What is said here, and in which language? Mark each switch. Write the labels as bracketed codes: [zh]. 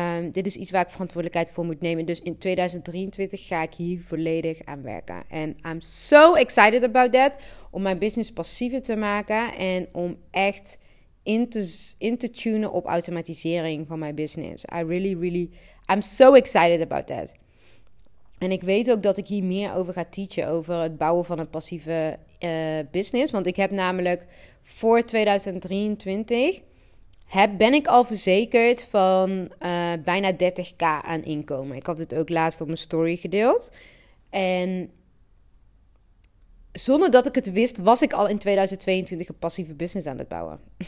[nl] Dit is iets waar ik verantwoordelijkheid voor moet nemen. Dus in 2023 ga ik hier volledig aan werken. En [en] I'm so excited about that. [nl] Om mijn business passiever te maken. En om echt in te tunen op automatisering van mijn business. [en] I really, really, I'm so excited about that. [nl] En ik weet ook dat ik hier meer over ga teachen. Over het bouwen van een passieve business. Want ik heb namelijk voor 2023... ben ik al verzekerd van bijna 30k aan inkomen. Ik had het ook laatst op mijn story gedeeld. En zonder dat ik het wist, was ik al in 2022 een passieve business aan het bouwen.